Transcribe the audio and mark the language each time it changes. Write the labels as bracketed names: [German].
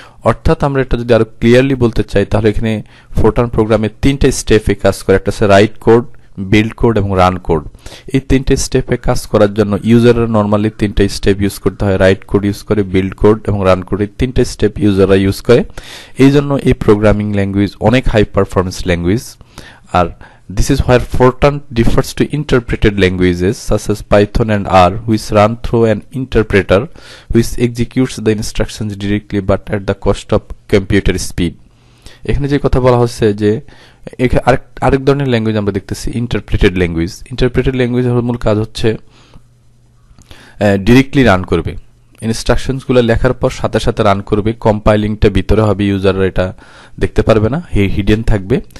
[Bangla] অর্থাৎ আমরা এটা যদি আরো ক্লিয়ারলি বলতে চাই তাহলে এখানে ফোরট্রান প্রোগ্রামে তিনটা স্টেপে কাজ করে, একটা হচ্ছে রাইট কোড, বিল্ড কোড এবং রান কোড। এই তিনটে স্টেপে কাজ করার জন্য ইউজাররা নর্মালি তিনটে স্টেপ ইউজ করতে হয়, রাইট কোড ইউজ করে, বিল্ড কোড এবং রান কোড, এই তিনটে স্টেপ ইউজাররা ইউজ করে। এই জন্য এই প্রোগ্রামিং ল্যাঙ্গুয়েজ অনেক high performance language, আর [English] This is where Fortran differs to interpreted languages such as Python and R, which run through an interpreter which executes the instructions directly but at the cost of computer speed. [Bangla] এখানে যে কথা বলা হচ্ছে যে আরেক ধরনের language আমরা দেখতেছি ইন্টারপ্রেটেড ল্যাঙ্গুয়েজ। ইন্টারপ্রেটেড ল্যাঙ্গুয়েজের মূল কাজ হচ্ছে ডিরেক্টলি রান করবে, ইনস্ট্রাকশনসগুলো লেখার পর সাথে সাথে রান করবে, কম্পাইলিংটা ভিতরে হবে, ইউজার এটা দেখতে পারবে না, হিডেন থাকবে।